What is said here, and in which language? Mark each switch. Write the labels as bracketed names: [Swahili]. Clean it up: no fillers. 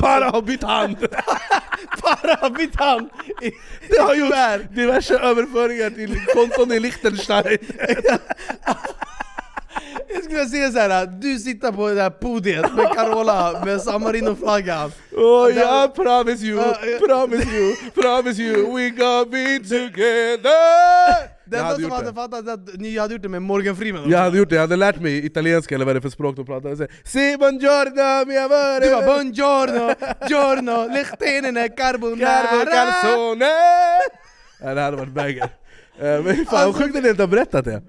[Swedish] Para har bytt hand. Para har bytt hand. Det har gjort diverse överföringar till konton i Liechtenstein. Jag skulle säga så här, du sitter på det där podiet med Carola med San Marino-flaggan. [English] Oh, yeah, promise you, we gonna be together. [Swedish] Det enda som hade fattat att ni hade gjort det med Morgan Freeman. Jag hade gjort det, jag hade lärt mig italienska eller vad det är för språk de pratade. Säger, [Italian] si, buongiorno, mi amore. [Swedish] Du var, [Italian] buongiorno, giorno, lechtenene, carbonara. [Swedish] Carbonarsone. Det hade varit bägge. Men fan, alltså, sjukt att ni inte har berättat det.